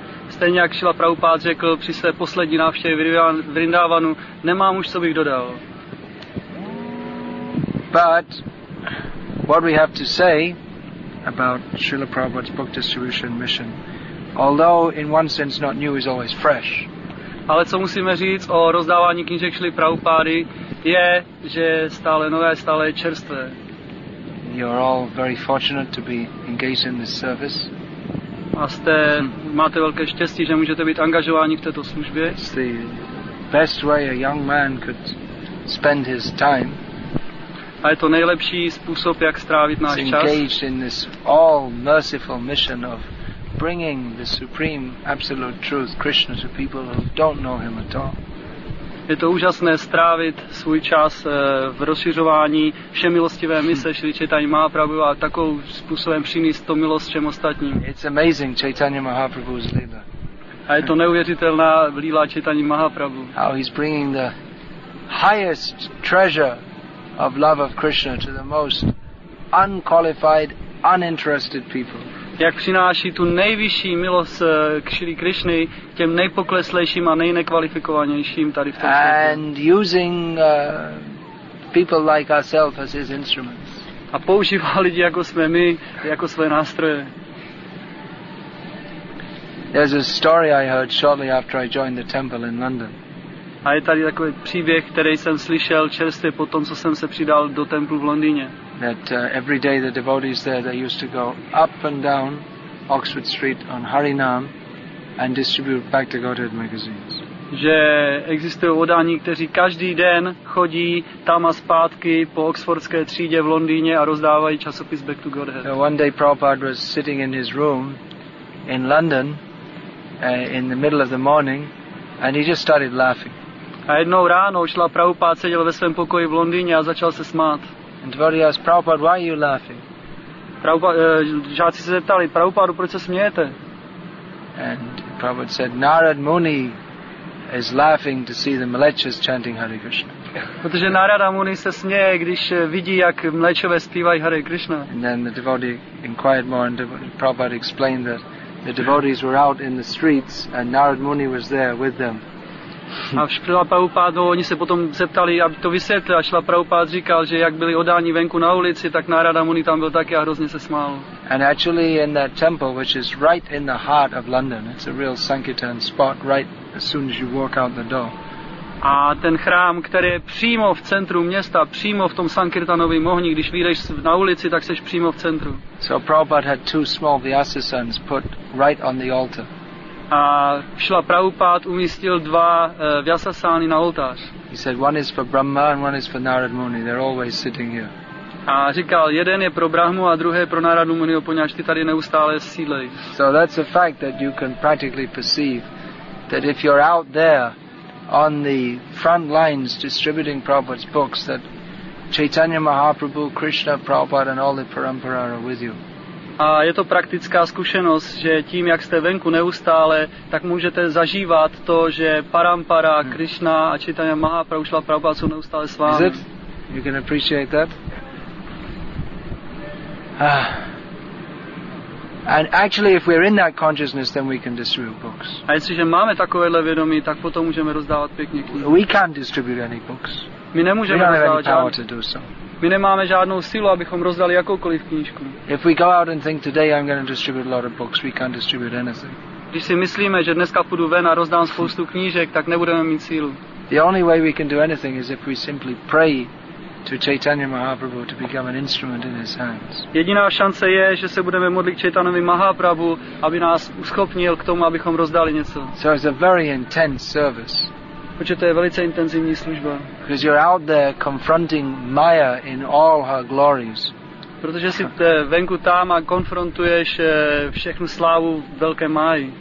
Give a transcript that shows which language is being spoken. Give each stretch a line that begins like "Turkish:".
Czech: Stejně jak Šila Prabhupád řekl při své poslední návštěvě v Vrindavanu, nemám už co bych dodal.
English: But what we have to say about Srila Prabhupada's book distribution mission, although in one sense not new, is always fresh.
Czech: Ale co musíme říct o rozdávání knížek Šily Prabhupády je, že stále nové, stále čerstvé.
English: You are all very fortunate to be engaged in this service.
Czech: A jste, máte velké štěstí, že můžete být angažováni v této službě.
English: It's the best way a young man could spend his time.
Czech: A je to nejlepší způsob, jak strávit náš čas.
English: Engaged in this all-merciful mission of bringing the supreme absolute truth Krishna to people who don't know him at all.
Czech: Je to úžasné strávit svůj čas v rozšiřování všemilostivé mise Šri Chaitanya Mahaprabhu a takovým způsobem přinést to milost všem ostatním.
English: It's amazing Chaitanya Mahaprabhu's lila.
Czech: A je to neuvěřitelná lila Chaitanya Mahaprabhu.
English: How he's bringing the highest treasure of love of Krishna to the most unqualified, uninterested people.
Czech: Jak přináší tu nejvyšší milost k Šri Krišny těm nejpokleslejším a nejnekvalifikovanějším tady v tom světě.
English: And using people like ourselves as his instruments.
Czech: A používá lidi jako jsme my, jako své nástroje.
English: There's a story I heard shortly after I joined the temple in London.
Czech: A je tady takový příběh, který jsem slyšel čerstvě po tom, co jsem se přidal do templu v Londýně.
English: That every day the devotees there, they used to go up and down Oxford Street on Harinam and distribute Bhakti Godhead magazines.
Czech: Že existují oddání, kteří každý den chodí tam a zpátky po oxfordské třídě v Londýně a rozdávají časopis Bhakti Godhead.
English: One day Prabhupada was sitting in his room in London in the middle of the morning and he just started laughing.
Czech: A jednou ráno šla Prabhupada seděl ve svém pokoji v Londýně a začal se smát.
English: And devotee asked Prabhupada, why are you laughing?
Czech: Žáci se zeptali, Prabhupada, proč se smějete?
English: And Prabhupada said, Narad Muni is laughing to see the mlečas chanting Hare Krishna.
Czech: Protože Narada Muni se směje, když vidí, jak mlečové zpívají Hare Krishna.
English: And then the devotee inquired more and Prabhupada explained that the devotees were out in the streets and Narad Muni was there with them.
Czech: A Šila Prabhupáda, oni se potom zeptali, aby to vysvětlil, a Šila Prabhupáda říkal, že jak byli odáni venku na ulici, tak Narada Muni tam byl taky a hrozně se smál.
English: And actually in that temple, which is right in the heart of London, it's a real Sankirtan spot right as soon as you walk out the door.
Czech: A ten chrám, který je přímo v centru města, přímo v tom Sankirtanovém ohni, když vyjdeš na ulici, tak seš přímo v centru.
English: So Prabhupada had two small Vyasa sons put right on the altar.
Czech: A Šila Prabhupáda umístil dva vyasasány na oltář.
English: He said one is for Brahma and one is for Narad Muni. They're always sitting here.
Czech: A říkal, jeden je pro Brahmu a druhý pro Narada Muniho, poněvadž ty tady neustále sídlej.
English: So that's a fact that you can practically perceive that if you're out there on the front lines distributing Prabhupada's books, that Chaitanya Mahaprabhu, Krishna, Prabhupada and all the parampara are with you.
Czech: A je to praktická zkušenost, že tím, jak jste venku neustále, tak můžete zažívat to, že parampara, Krishna a Chaitanya Mahaprabhu, Šila Prabhupáda jsou neustále s vámi.
English: Is it? You can appreciate that. And actually, if we're in that consciousness, then we can distribute books.
Czech: A jestliže máme takovéhle vědomí, tak potom můžeme rozdávat pěkně knihy.
English: We can't distribute any books.
Czech: My nemůžeme rozdávat žádný.
English: We don't have any power to do so.
Czech: My nemáme žádnou sílu, abychom rozdali jakoukoliv knížku.
English: If we go out and think today I'm going to distribute a lot of books, we can't distribute anything.
Czech: Když si myslíme, že dneska půjdu ven a rozdám spoustu knížek, tak nebudeme mít sílu.
English: The only way we can do anything is if we simply pray to Chaitanya Mahaprabhu to become an instrument in his hands.
Czech: Jediná šance je, že se budeme modlit Chaitanovi Mahaprabhu, aby nás uschopnil k tomu, abychom rozdali něco.
English: So it's a very intense service.
Czech: Protože to je velice intenzivní služba.
English: Because you're out there confronting Maya in all her glories.
Czech: Protože si venku tam a konfrontuješ všechnu slávu velké Máji.